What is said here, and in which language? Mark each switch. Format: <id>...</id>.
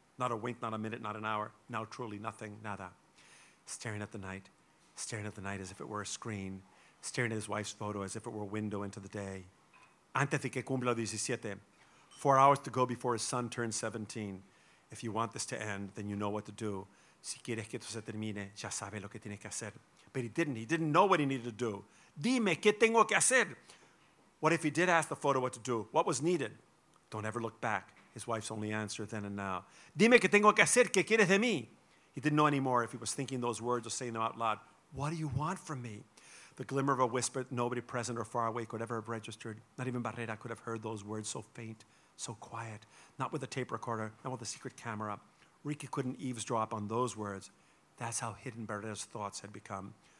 <en>Not a wink, not a minute, not an hour. Now truly nothing, nada. Staring at the night as if it were a screen, staring at his wife's photo as if it were a window into the day.</en> <es>Antes de que cumpla 17,</es> <en>4 hours to go before his son turns 17. If you want this to end, then you know what to do.</en> <es>Si quieres que esto se termine, ya sabe lo que tiene que hacer.</es> <en>But he didn't. He didn't know what he needed to do.</en> <es>Dime, ¿qué tengo que hacer?</es> <en>What if he did ask the photo what to do? What was needed? Don't ever look back, his wife's only answer then and now.</en> <es>Dime que tengo que hacer, que quieres de mí?</es> <en>He didn't know anymore if he was thinking those words or saying them out loud. What do you want from me? The glimmer of a whisper that nobody present or far away could ever have registered. Not even Barrera could have heard those words, so faint, so quiet. Not with a tape recorder, not with a secret camera. Ricky couldn't eavesdrop on those words. That's how hidden Barrera's thoughts had become.</en>